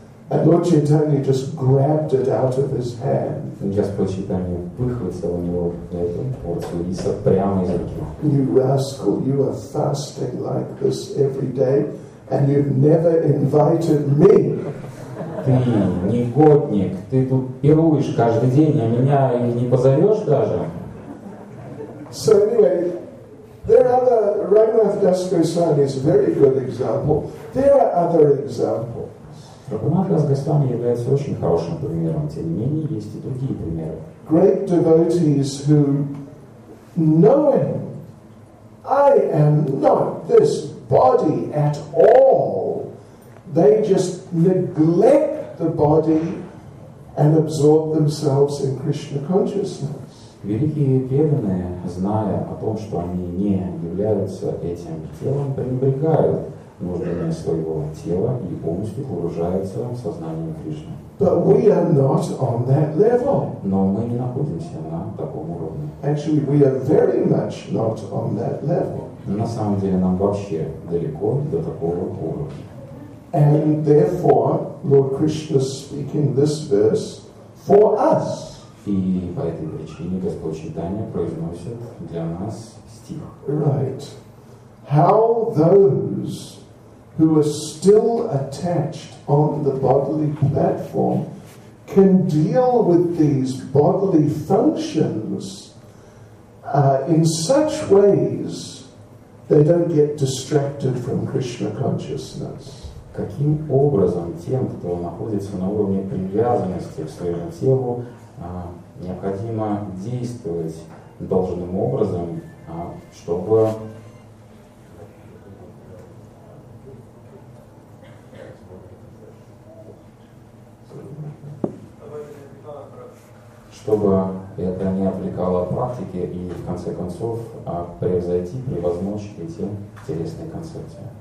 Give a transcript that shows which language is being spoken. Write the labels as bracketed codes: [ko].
[en] And Lord Chaitanya just grabbed it out of his hand. [ru] Господь Чайтанья выхватил у него эту порцию риса прямо из руки. [en] You rascal, you are fasting like this every day, and you've never invited me. [ru] Ты негодник, ты тут пируешь каждый день, а меня и не позовешь даже. [en] So anyway, there are other Raghunath Das Goswami is a very good example. There are other examples. [ru] Raghunath Das Goswami является очень хорошим примером, тем не менее есть и другие примеры. [en] Great devotees who, knowing I am not this body at all, they just neglect the body and absorb themselves in Krishna consciousness. [ru] Великие преданные, зная о том, что они не являются этим телом, пренебрегают нуждами своего тела и полностью погружаются в сознание Кришны. [en] But we are not on that level. [ru] Но мы не находимся на таком уровне. [en] Actually, we are very much not on that level. [ru] На самом деле, нам вообще далеко до такого уровня. [en] And therefore, Lord Krishna speaking this verse for us. [ru] И по этой причине Господь Чайтанья произносит для нас стих. [en] Right. How those who are still attached on the bodily platform can deal with these bodily functions in such ways they don't get distracted from Krishna consciousness. [ru] Каким образом тем, кто находится на уровне привязанности к своему телу, необходимо действовать должным образом, чтобы это не отвлекало практики и, в конце концов, превзойти, превозмочь эти телесные концепции.